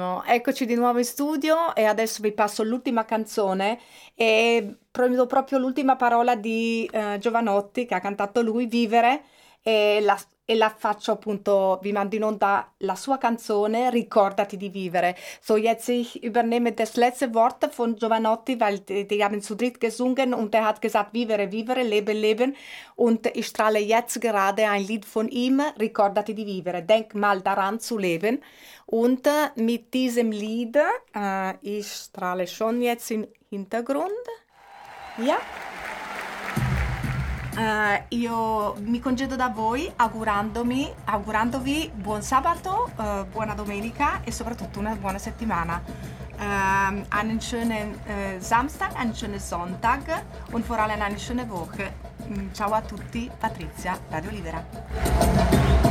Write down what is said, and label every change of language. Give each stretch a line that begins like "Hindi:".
Italian: Eccoci di nuovo in studio e adesso vi passo l'ultima canzone e prendo proprio l'ultima parola di Jovanotti, che ha cantato lui, Vivere, e la faccio appunto, vi mando in onda la sua canzone Ricordati di vivere.
German: So jetzt ich übernehme das letzte Wort von Jovanotti, weil die haben zu dritt gesungen und er hat gesagt vivere, vivere, leben, leben, und ich strahle jetzt gerade ein Lied von ihm, Ricordati di vivere, denk mal daran zu leben. Und mit diesem Lied, ich strahle schon jetzt im Hintergrund, ja,
Italian: io mi congedo da voi augurandovi buon sabato, buona domenica e soprattutto una buona settimana.
German: Einen schönen Samstag, einen schönen Sonntag und vor allem eine schöne Woche.
Italian: Ciao a tutti, Patrizia, Radio Libera.